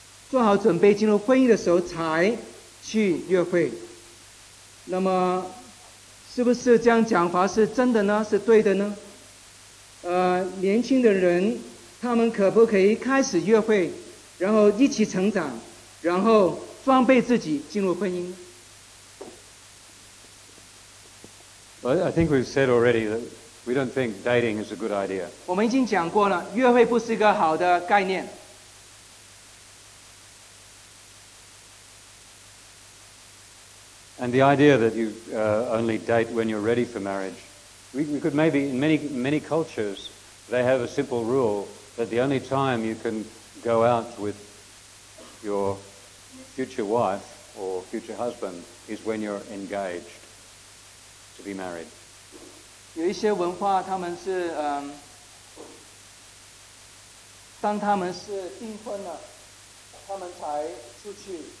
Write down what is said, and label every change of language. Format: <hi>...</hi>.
<zh>做好准备进入婚姻的时候才去约会，那么是不是这样讲法是真的呢？是对的呢？年轻的人他们可不可以开始约会，然后一起成长，然后装备自己进入婚姻？</zh> <en>Well, I think we've said already that we don't think dating is a good idea.</en> <zh>我们已经讲过了，约会不是一个好的概念。</zh> <en>And the idea that you only date when you're ready for marriage. We could maybe, in many, many cultures, they have a simple rule that the only time you can go out with your future wife or future husband is when you're engaged to be married.</en> <zh>有一些文化他们是当他们是订婚了他们才出去</zh>